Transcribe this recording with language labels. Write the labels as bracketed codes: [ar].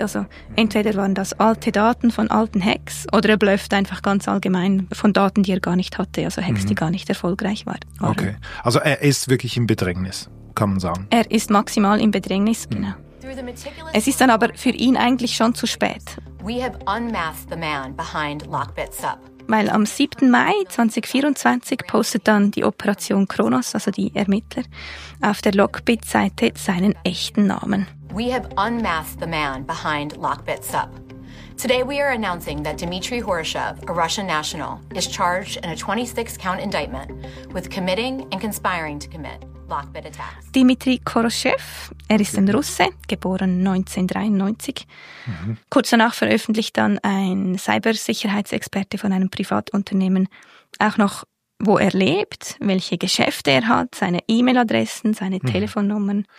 [de] Also entweder waren das alte Daten von alten Hacks oder er blufft einfach ganz allgemein von Daten, die er gar nicht hatte, also Hacks, mhm, die gar nicht erfolgreich waren. Okay, also er ist wirklich im Bedrängnis, kann man sagen. Er ist maximal im Bedrängnis, mhm, genau. Es ist dann aber für ihn eigentlich schon zu spät. [en] We have unmasked the man behind Lockbit Sub. [de] Weil am 7. Mai 2024 postet dann die Operation Kronos, also die Ermittler, auf der Lockbit-Seite seinen echten Namen. [en] We have unmasked the man behind Lockbit Sub. Today we are announcing that Dmitry Horoshev, a Russian national, is charged in a 26-count indictment with committing and conspiring to commit Lockbit attacks. [de] Dmitry Horoshev, er ist ein Russe, geboren 1993. Mhm. Kurz danach veröffentlicht dann ein Cybersicherheitsexperte von einem Privatunternehmen auch noch, wo er lebt, welche Geschäfte er hat, seine E-Mail-Adressen, seine, mhm, Telefonnummern.